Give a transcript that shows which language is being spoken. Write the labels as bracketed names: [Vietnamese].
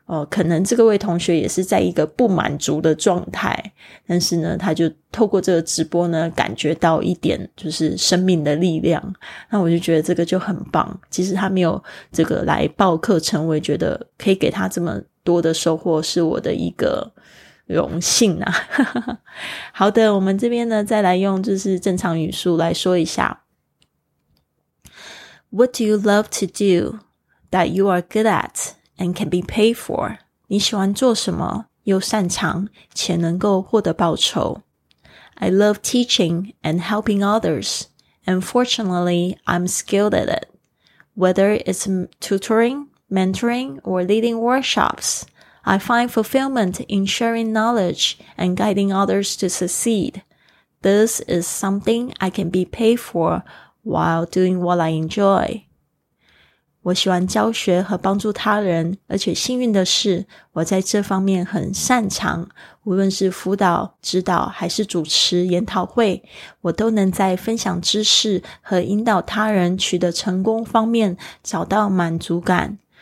[Chinese] 可能这个位同学也是在一个不满足的状态，但是呢他就透过这个直播呢感觉到一点就是生命的力量，那我就觉得这个就很棒。其实他没有这个来报课程，我也觉得可以给他这么多的收获是我的一个荣幸啊。好的，我们这边呢再来用就是正常语速来说一下。 [English] What do you love to do that you are good at? And can be paid for. [Chinese] 你喜欢做什么又擅长且能够获得报酬。 [English] I love teaching and helping others. And fortunately, I'm skilled at it. Whether it's tutoring, mentoring, or leading workshops, I find fulfillment in sharing knowledge and guiding others to succeed. This is something I can be paid for while doing what I enjoy. [Chinese] 我喜欢教学和帮助他人，而且幸运的是我在这方面很擅长，无论是辅导、指导还是主持研讨会，我都能在分享知识和引导他人取得成功方面找到满足感。